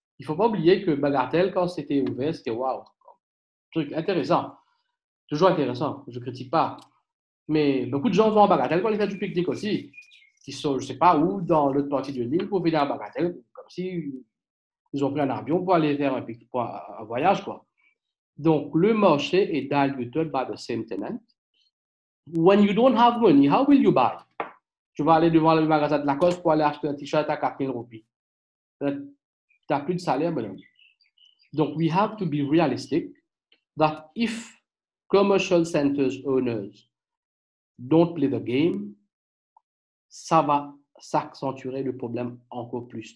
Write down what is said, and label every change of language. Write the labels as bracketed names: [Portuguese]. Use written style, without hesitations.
[French] Il ne faut pas oublier que Bagatelle, quand c'était ouvert, c'était wow. Truc intéressant. Toujours intéressant. Je ne critique pas. Mais beaucoup de gens vont à Bagatelle pour aller faire du pique-nique aussi. Ils sont, je ne sais pas où, dans l'autre partie de l'île pour venir à Bagatelle, comme s'ils ont pris un avion pour aller faire un voyage, quoi. Donc, le marché est [English] diluted by the same tenant. When you don't have money, how will you buy? [French] Tu vas aller devant le magasin de Lacoste pour aller acheter un t-shirt à 4000 roupies. Tu n'as plus de salaire, madame. Donc, [English] we have to be realistic that if commercial centers owners don't play the game, [French] ça va s'accentuer le problème encore plus.